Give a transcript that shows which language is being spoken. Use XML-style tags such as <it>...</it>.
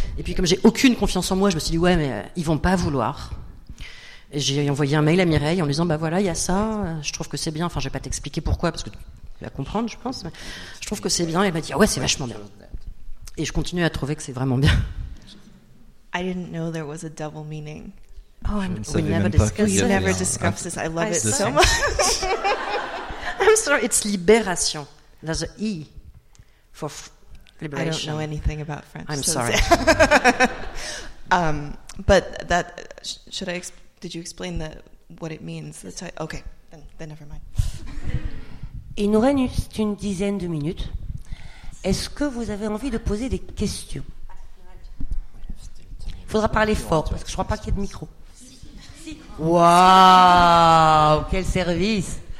<fr>Et puis comme j'ai aucune confiance en moi, je me suis dit ouais, mais ils vont pas vouloir. Et j'ai envoyé un mail à Mireille en lui disant bah voilà, il y a ça, je trouve que c'est bien. Enfin, je vais pas t'expliquer pourquoi parce que tu vas comprendre, je pense. Mais je trouve que c'est bien. Et elle m'a dit ah ouais, c'est vachement bien. Et je continue à trouver que c'est vraiment bien.</fr> <en>I didn't know there was a double meaning. Oh, we never discuss this. I love it so much. I'm sorry, it's Libération. There's an E for Libération. I don't know anything about French. I'm sorry. but that should I explain? Did you explain what it means? Okay, then never mind.</en> <fr>Il nous reste une dizaine de minutes. Est-ce que vous avez envie de poser des questions? Il faudra parler fort, parce que je ne crois pas qu'il y ait de micro. Waouh! Quel service!</fr>